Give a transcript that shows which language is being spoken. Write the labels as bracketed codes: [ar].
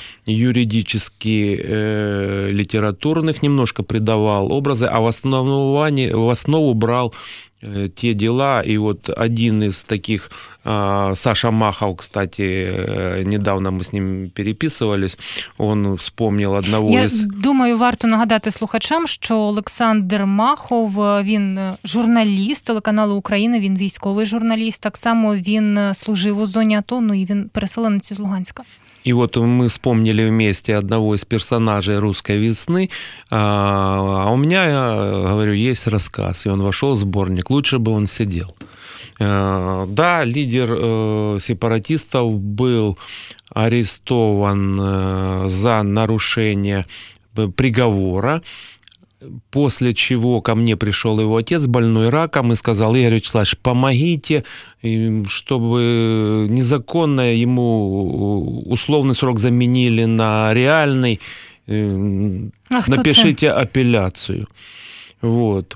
[ru] юридически литературных немножко придавал образы, а в основу брал те дела. И вот один из таких, Саша Махов, кстати, недавно мы с ним переписывались, он вспомнил одного из... [uk] Я думаю, варто нагадати слухачам, що Олександр Махов, він журналіст телеканалу «Україна», він військовий журналіст, так само він служив у зоні АТО, ну і він переселенець з Луганська. [ru] И вот мы вспомнили вместе одного из персонажей «Русской весны», а у меня, я говорю, есть рассказ, и он вошел в сборник, лучше бы он сидел. Да, лидер сепаратистов был арестован за нарушение приговора, после чего ко мне пришел его отец, больной раком, и сказал: «Игорь Вячеславович, помогите, чтобы незаконно ему условный срок заменили на реальный, напишите апелляцию». Вот.